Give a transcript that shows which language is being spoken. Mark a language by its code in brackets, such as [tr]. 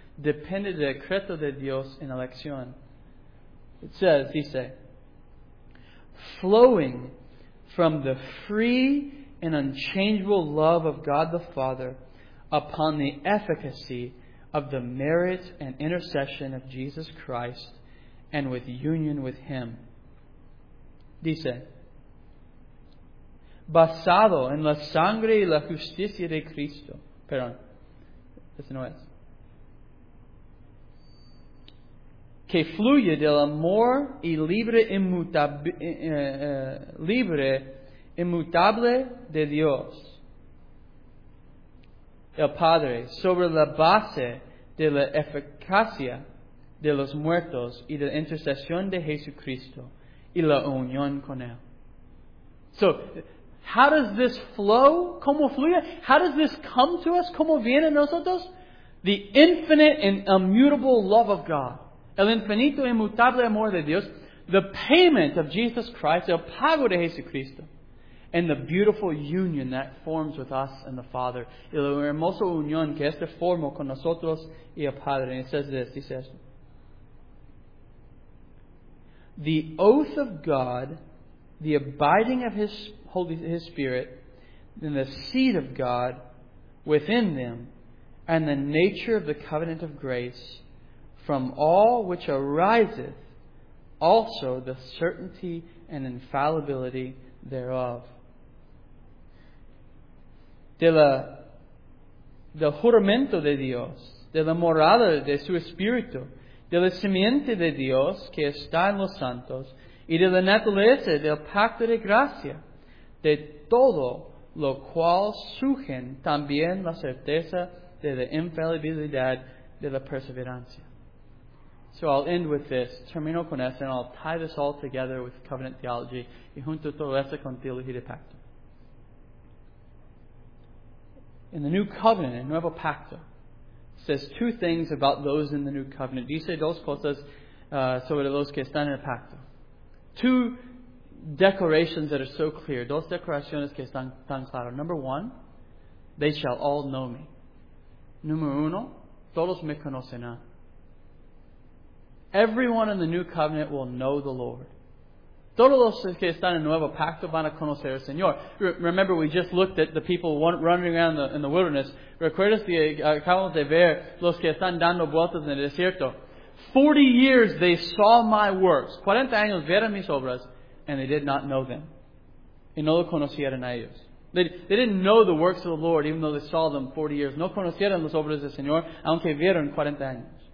[es] Depende del decreto de Dios en elección. [en] It says, dice, flowing from the free an unchangeable love of God the Father upon the efficacy of the merit and intercession of Jesus Christ and with union with Him. [es] Dice, basado en la sangre y la justicia de Cristo. Perdón. Ese no es. Que fluye del amor y libre inmutable de Dios. el Padre sobre la base de la eficacia de los muertos y de la intercesión de Jesucristo y la unión con él. [en] So, how does this flow? [es] ¿Cómo fluye? [en] How does this come to us? [es] ¿Cómo viene a nosotros? [en] The infinite and immutable love of God. [es] El infinito y mutable amor de Dios. [en] The payment of Jesus Christ. [es] El pago de Jesucristo. [en] And the beautiful union that forms with us and the Father. [es] Y la hermosa unión que este formó con nosotros y el Padre. [en] And it says this. He says, the oath of God, the abiding of His Holy His Spirit, and the seed of God within them, and the nature of the covenant of grace, from all which ariseth also the certainty and infallibility thereof. [es] Del juramento de Dios, de la morada de su Espíritu, de la simiente de Dios que está en los santos, y de la naturaleza del pacto de gracia, de todo lo cual surgen también la certeza de la infalibilidad de la perseverancia. [en] So I'll end with this. [es] Termino con esto, [en] and I'll tie this all together with covenant theology [es] y junto todo esto con teología de pacto. [en] In the new covenant, [es] el nuevo pacto, [en] says two things about those in the new covenant. [es] Dice dos cosas sobre los que están en el pacto. [en] Two declarations that are so clear. [es] Dos declaraciones que están tan claras. [en] Number one, they shall all know me. [es] Número uno, todos me conocerán. [en] Everyone in the new covenant will know the Lord. [es] Todos los que están en el nuevo pacto van a conocer al Señor. [en] Remember, we just looked at the people running around in the wilderness. [es] ¿Recuerdas que acabamos de ver los que están dando vueltas en el desierto? [en] 40 years they saw my works. [es] 40 años vieron mis obras, [en] and they did not know them. [es] Y no lo conocieron a ellos. [en] They didn't know the works of the Lord, even though they saw them 40 years. [es] No conocieron las obras del Señor, aunque vieron 40 años.